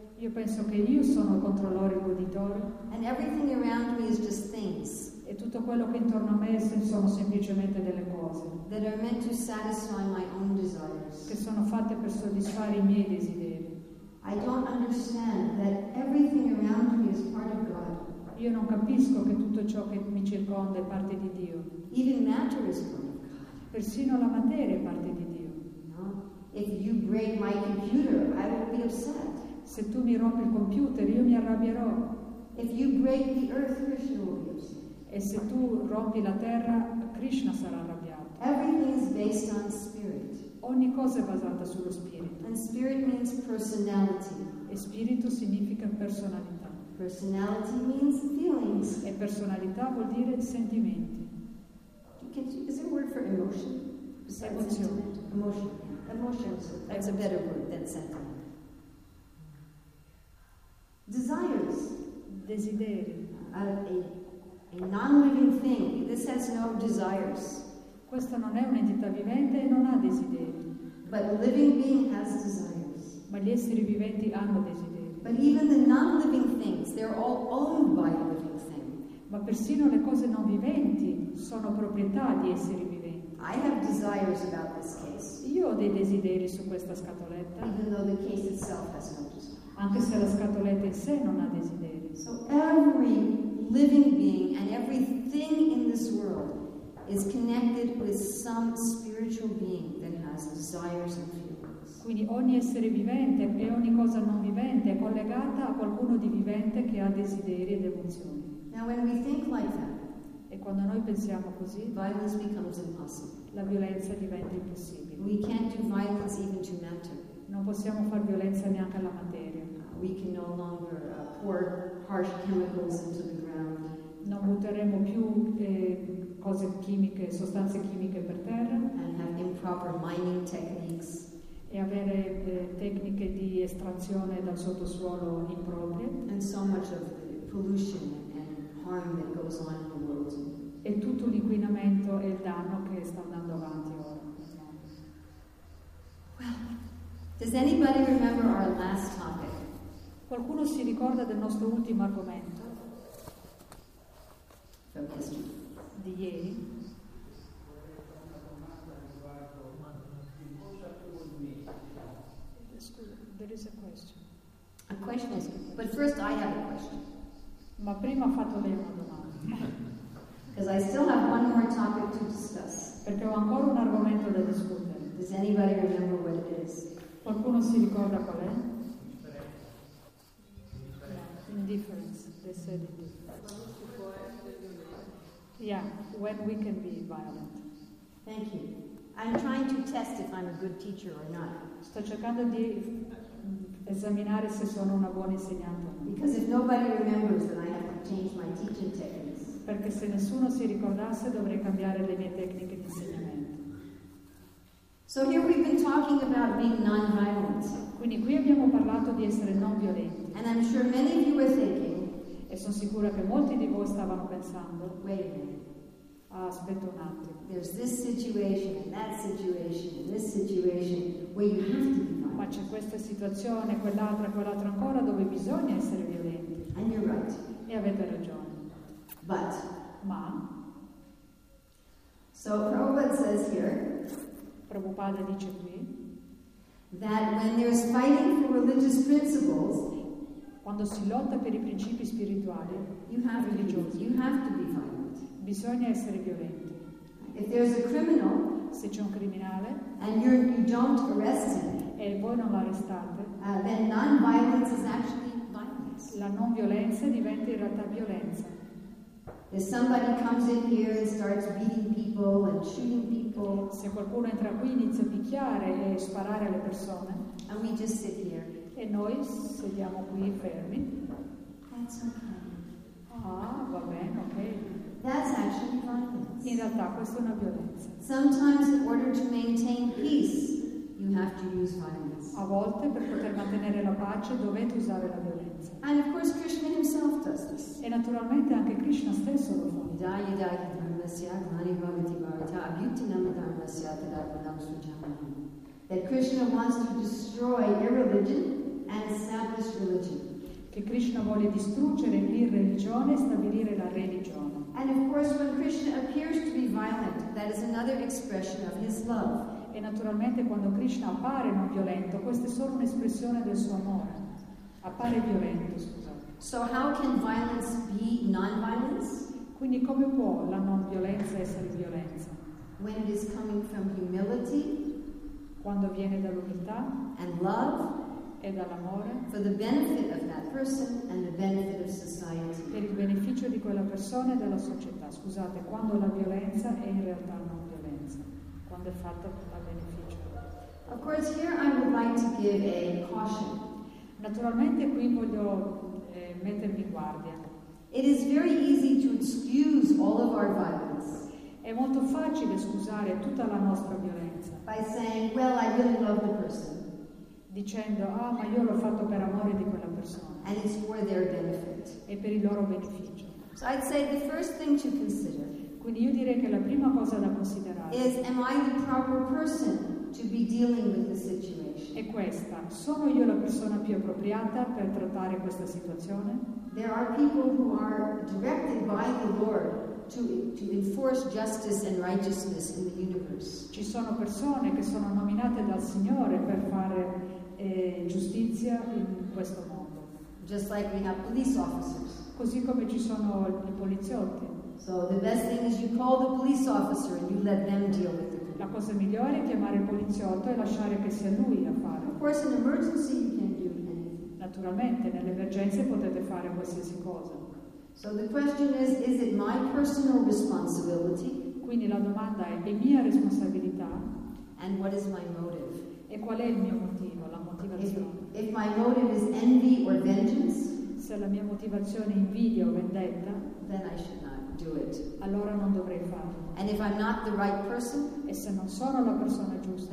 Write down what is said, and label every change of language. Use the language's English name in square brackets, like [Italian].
[Italian] Io penso che io sono il controllore e il goditore. [English] And everything around me is just things. [Italian] E tutto quello che intorno a me sono semplicemente delle cose. [English] That are meant to satisfy my own desires. [Italian] Che sono fatte per soddisfare i miei desideri. [English] I don't understand that everything around me is part of God. [Italian] Io non capisco che tutto ciò che mi circonda è parte di Dio. [English] Even matter is part of God. [Italian] Persino la materia è parte di Dio. [English] No. If you break my computer, I will be upset. [Italian] Se tu mi rompi il computer, io mi arrabbierò. [English] If you break the earth, Krishna will be upset. [Italian] E se tu rompi la terra, Krishna sarà arrabbiato. [English] Everything is based on spirit. [Italian] Ogni cosa è basata sullo spirito. [English] And spirit means personality. [Italian] E spirito significa personalità. [English] Personality means feelings. [Italian] E personalità vuol dire sentimenti. [English] Is there a word for emotion? [Italian] Emozione. [English] Emotion. Emotions. That's a better word than sentiment. Desires. [Italian] Desideri. [English] A non-living thing. This has no desires. [Italian] Questa non è un'entità vivente e non ha desideri. [English] But a living being has desires. [Italian] Ma gli esseri viventi hanno desideri. [English] But even the non-living things, they're all owned by a living thing. [Italian] Ma persino le cose non viventi sono proprietà di esseri viventi. [English] I have desires about this case. [Italian] Io ho dei desideri su questa scatoletta. [English] Even though the case itself has no desires. [Italian] Anche se la scatoletta in sé non ha desideri. [English] So every living being and everything in this world is connected with some spiritual being that has desires and feelings. [Italian] Quindi ogni essere vivente e ogni cosa non vivente è collegata a qualcuno di vivente che ha desideri ed emozioni. [English] Now when we think like that, [Italian] e quando noi pensiamo così, [English] violence becomes impossible. [Italian] La violenza diventa impossibile. [English] We can't do violence even to matter. [Italian] Non possiamo far violenza neanche alla materia. [English] We can no longer pour harsh chemicals into the ground. [Italian] Non butteremo più cose chimiche, sostanze chimiche per terra. [English] And have improper mining techniques. [Italian] E avere tecniche di estrazione dal sottosuolo improprie. [English] And so much of the pollution and harm that goes on in the world. [Italian] E tutto l'inquinamento e il danno che sta andando avanti ora. [English] Well, does anybody remember our last topic? [Italian] Qualcuno si ricorda del nostro ultimo argomento? Di ieri. [English] There is a question. A question is, but first I have a question. [Italian] Ma prima ho fatto lei una domanda. [English] Because I still have one more topic to discuss. [Italian] Perché ho ancora un argomento da discutere. [English] Does anybody remember what it is? [Italian] Qualcuno si ricorda qual è? [English] Indifference. They said indifference. Yeah, when we can be violent. Thank you. I'm trying to test if I'm a good teacher or not. [Italian] Sto cercando di esaminare se sono una buona insegnante. [English] Because if nobody remembers, then I have to change my teaching techniques. [Italian] Perché se nessuno si ricordasse, dovrei cambiare le mie tecniche di insegnamento. [English] So here we've been talking about being non-violent. [Italian] Quindi qui abbiamo parlato di essere non violenti. [English] And I'm sure many of you were thinking. [Italian] E sono sicura che molti di voi stavano pensando. [English] Wait a minute. [Italian] Ah, aspetta un attimo. [English] There's this situation and that situation and this situation where you have to be violent. [Italian] ma c'è questa situazione, quell'altra ancora, dove bisogna essere violenti. [English] And you're right. [Italian] E avete ragione. [English] But. [Italian] Ma. [English] So Prabhupada says here. [Italian] Prabhupada dice qui. [English] That when there's fighting for religious principles. [Italian] Quando si lotta per i principi spirituali. [English] You have [Italian] religiosi, [English] to be. You have to be violent. [Italian] Bisogna essere violenti. [English] If there's a criminal. [Italian] Se c'è un criminale, [English] and you don't arrest him, [Italian] e voi non lo arrestate, [English] then non-violence is actually violence. [Italian] La non violenza diventa in realtà violenza. [English] If somebody comes in here and starts beating people and shooting people, [Italian] se qualcuno entra qui inizia a picchiare e sparare alle persone, [English] and we just sit here, [Italian] e noi sediamo qui fermi, [English] that's okay. [Italian] Ah, va bene, ok. [English] That's actually violence. [Italian] In realtà questa è una violenza. [English] Sometimes in order to maintain peace you have to use violence. [Italian] A volte per poter mantenere la pace dovete usare la violenza. [English] And of course Krishna himself does this. [Italian] E naturalmente anche Krishna stesso lo fa. [Sanskrit] Idaya idaya dharmasya mani bhavati bharata abhyutinam dharmasya tadapadam sujamam. [English] That Krishna wants to destroy irreligion and establish religion. [Italian] Che Krishna vuole distruggere l'irreligione e stabilire la religione. [English] And of course when Krishna appears to be violent, that is another expression of his love. [Italian] E naturalmente quando Krishna appare non violento, questa è solo un'espressione del suo amore. Appare violento, scusa. [English] So how can violence be non-violence? [Italian] Quindi come può la non violenza essere violenza? [English] When it is coming from humility, [Italian] quando viene dall'umiltà, [English] and love, [Italian] e dall'amore, [English] for the benefit of that person and the benefit of society. [Italian] Per il beneficio di quella persona e della società. Scusate, quando la violenza è in realtà non violenza, quando è fatta a beneficio. [English] Of course, here I would like to give a caution. [Italian] Naturalmente qui voglio mettermi in guardia. [English] It is very easy to excuse all of our violence. [Italian] È molto facile scusare tutta la nostra violenza. [English] By saying, well, I really love the person. [Italian] Dicendo, ah, ma io l'ho fatto per amore di quella persona. [English] And it's for their benefit. [Italian] E per il loro beneficio. [English] So I'd say the first thing to consider. [Italian] Quindi io direi che la prima cosa da considerare [English] is, am I the proper person to be dealing with the situation? [Italian] È questa. Sono io la persona più appropriata per trattare questa situazione? [English] There are people who are directed by the Lord to enforce justice and righteousness in the universe. [Italian] Ci sono persone che sono nominate dal Signore per fare giustizia in questo mondo. [English] Just like we have police officers. [Italian] Così come ci sono i poliziotti. [English] So the best thing is you call the police officer and you let them deal with it. [Italian] La cosa migliore è chiamare il poliziotto e lasciare che sia lui a fare. [English] Of course, in emergency you can do anything. [Italian] Naturalmente, nelle emergenze potete fare qualsiasi cosa. [English] So the question is it my personal responsibility? [Italian] Quindi la domanda è mia responsabilità? [English] And what is my motive? [Italian] E qual è il mio motivo, la motivazione? [English] If my motive is envy or vengeance, [Italian] se la mia motivazione è invidia o vendetta, [English] then I should not do it. [Italian] Allora non dovrei farlo. [English] And if I'm not the right person, [Italian] e se non sono la persona giusta,